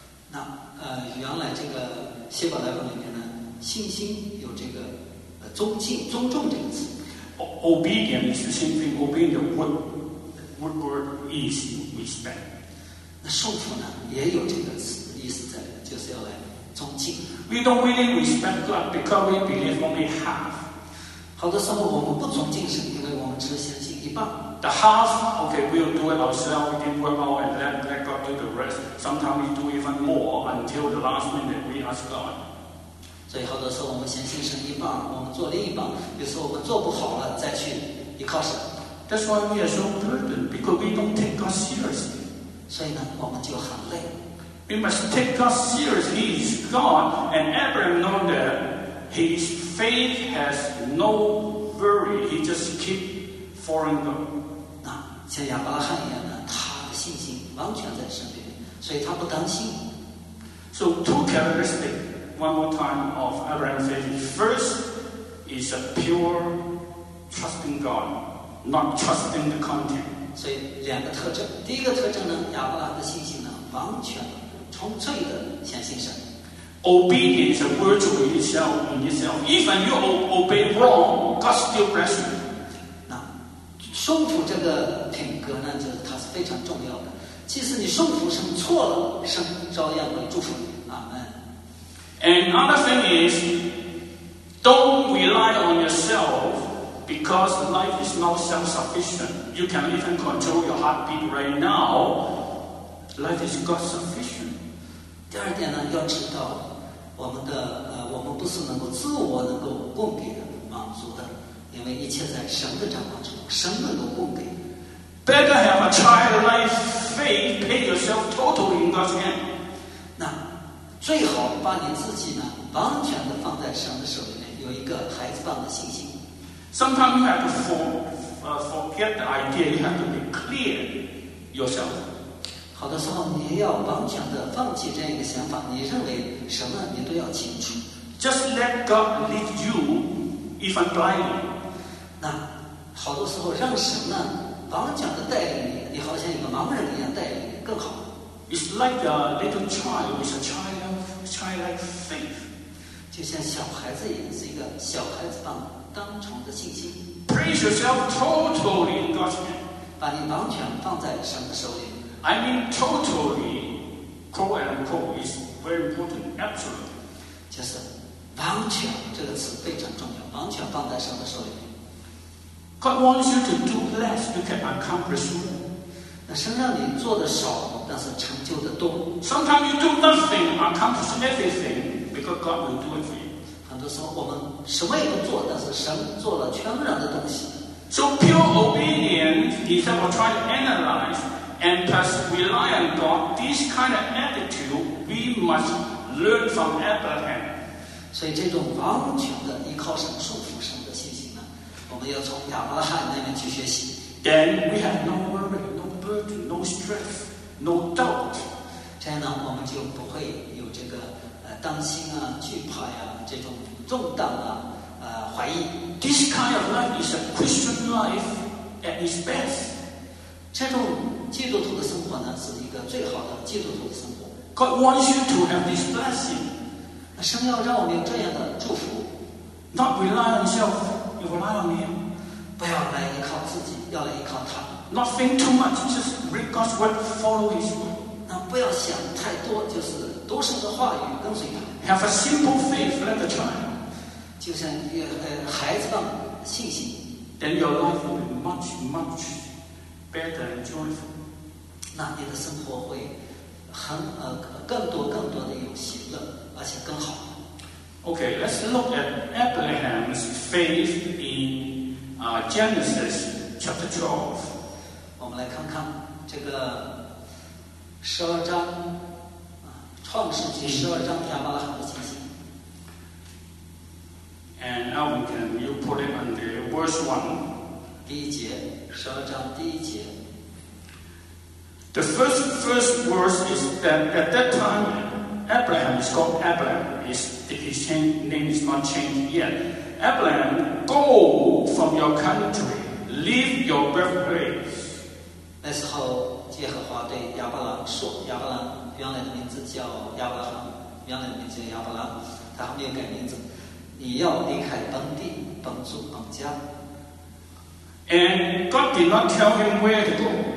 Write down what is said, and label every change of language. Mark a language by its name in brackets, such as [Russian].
[Chinese] 那原来这个希伯来文里面呢，信心有这个尊敬、尊重这个词。 [English] Obedience is the same thing. Obedience word is respect. [Chinese] 那顺服呢，也有这个词意思在，就是要来尊敬。 [English] We don't really respect God because we believe only half. [Chinese] 好多时候我们不尊敬神，因为我们只相信一半。 [English] The half, okay, we'll do it ourselves, we didn't work out, and then let God do the rest. Sometimes we do even more until the last minute we ask God. [Chinese] 所以好多时候我们先信神一半，我们做另一半，有时候我们做不好了再去依靠神。 [English] That's why we are so burdened, because we don't take God seriously. [Chinese] 所以呢，我们就很累。 [English] We must take God seriously, He is God, and Abraham know that his faith has no worry, he just keep following God. [Chinese] 那像亚伯拉罕一样呢，他的信心完全在神里面，所以他不担心。 [English] So two characteristics, one more time, of Abraham's faith. First is a pure trusting God, not trusting the content. [Chinese] 所以两个特征，第一个特征呢，亚伯拉罕的信心呢，完全的纯粹的相信神。 [English] Obedience is virtue in itself. Even you obey wrong, God still bless you. [Chinese] 那顺服这个品格呢，就是它是非常重要的。即使你顺服神错了，神照样会祝福你。阿门。 [English] And another thing is, don't rely on yourself because life is not self-sufficient. You can even control your heartbeat right now. Life is God-sufficient. [Chinese] 第二点呢，要知道我们的我们不是能够自我能够供给的满足的，因为一切在神的掌控之中，神能够供给。 [English] Better have a childlike faith, pay yourself totally in God's hand. [Chinese] 那最好把你自己呢完全的放在神的手里面，有一个孩子般的信心。 [English] Sometimes you have to forget the idea. You have to be clear yourself. [Chinese] 好的时候你要完全的放弃这样一个想法，你认为什么你都要清楚。 [English] Just let God lead you even blindly. [Chinese] 那好多时候让神呢完全的带领你，你好像一个盲人一样带领你更好。 [English] It's like a little child with a childlike faith. [Chinese] 就像小孩子一样，是一个小孩子般单纯的信心。 [English] Praise yourself totally in God's hand. [Chinese] 把你完全放在神的手里。 [English] I mean totally, quote and quote is very important, absolutely. [Chinese] 就是完全这个词非常重要，完全放在神的手里。 [English] God wants you to do less, you can accomplish more. [Chinese] 那神让你做的少，但是成就的多。 [English] Sometimes you do nothing, accomplish everything, because God will do it for you. [Chinese] 很多时候我们什么也不做，但是神做了全然的东西。 [English] So pure obedience, instead of trying to analyze,And plus rely on God, this kind of attitude we must learn from Abraham. [Chinese] 所以这种完全的依靠神、顺服神的信心呢，我们要从亚伯拉罕那边去学习。 [English] Then we have no worry, no burden, no stress, no doubt. [Chinese] 这样呢，我们就不会有这个担心啊、惧怕呀、这种重担啊、怀疑。 [English] This kind of life is a Christian life at its best. [Chinese] 这种基督徒的生活呢，是一个最好的基督徒的生活。 [English] God wants you to have this blessing. [Chinese] 神要让我们有这样的祝福。 [English] Not rely on yourself, you rely on Him. [Chinese] 不要来依靠自己，要来依靠他。 [English] Not think too much, just read God's word, follow His word. [Chinese] 那不要想太多，就是读神的话语，跟随他。 [English] Have a simple faith like a child. [Chinese] 就像孩子般信心。 [English] Then your life will be much, much. Better and joyful. [Chinese] 那你的生活会很更多更多的有喜乐，而且更好。 [English] Okay, let's look at Abraham's faith in Genesis chapter 12. [Chinese] 我们来看看这个十二章创世纪十二章亚伯拉罕的信心。 [English] And now can you put it under verse 1? [Chinese] 第一节，十二章第一节。 [English] The first verse is that at that time Abraham is called Abraham. His name is not changed yet. Abraham, go from your country. Leave your birthplace. [Chinese] 那时候耶和华对亚伯拉说，亚伯拉原来的名字叫亚伯拉，原来的名字叫亚伯拉，他还没有改名字。你要离开本地、本族、本家。 [English] And God did not tell him where to go.